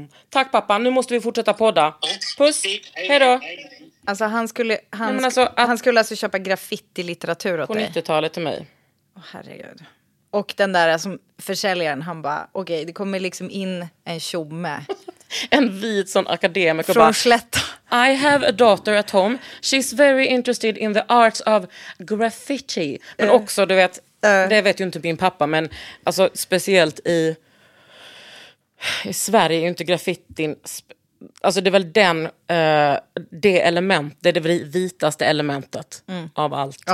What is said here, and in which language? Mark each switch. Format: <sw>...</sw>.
<sv>Tack pappa, nu måste vi fortsätta podda. Puss, hej då. Alltså han skulle köpa graffiti-litteratur åt dig på 90-talet till mig. Åh, herregud. Och den där som försäljaren, han bara, okej, det kommer liksom in en tjomme. En vit sån akademiker. Från Slätta.</sv> <en>I have a daughter at home. She's very interested in the arts of graffiti.</en> <sv>Men också, du vet, det vet ju inte min pappa, men alltså speciellt i Sverige är ju inte graffitin, alltså det är väl den det element, det är det vitaste elementet av allt.</sv>